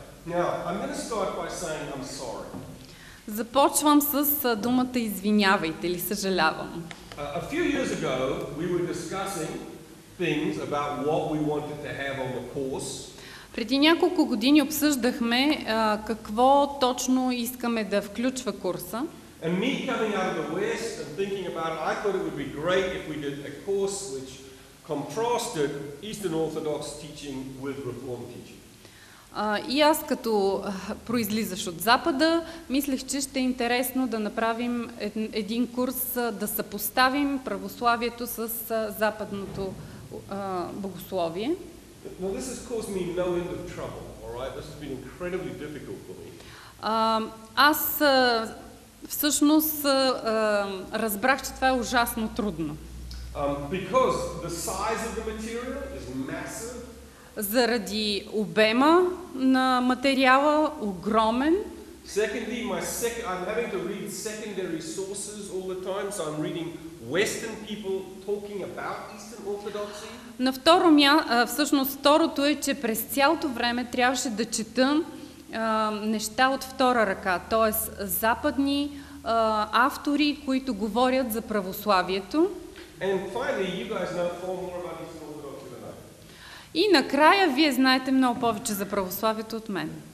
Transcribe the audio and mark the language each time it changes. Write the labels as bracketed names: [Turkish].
[English] Now, I'm going to start by saying I'm sorry. [Bulgarian] Започвам с думата извинявайте или съжалявам. [English] A few years ago, we were discussing things about what we wanted to have on the course. [Bulgarian] Преди няколко години обсъждахме какво точно искаме да включва курса. [English] And me coming out of the West and thinking about it, I thought it would be great if we did a course which contrasted Eastern Orthodox teaching with Reformed teaching. [Bulgarian] И аз като произлизаш от Запада, мислех, че ще е интересно да направим един курс, да съпоставим православието с западното богословие. [English] Now this has caused me no end of trouble, all right? This has been incredibly difficult for me. [Bulgarian] Аз всъщност разбрах, че това е ужасно трудно. [English] Because the size of the material is massive. [Bulgarian] Заради обема на материала, огромен. [English] Secondly, I'm having to read secondary sources all the time, so I'm reading Western people talking about Eastern Orthodoxy. [Bulgarian] На второ място, всъщност второто е, че през цялото време трябваше да чета неща от втора ръка, т.е. западни автори, които говорят за православието. [English] And finally, you guys know far more about Eastern Orthodoxy than I. [Bulgarian] И накрая вие знаете много повече за православието от мен.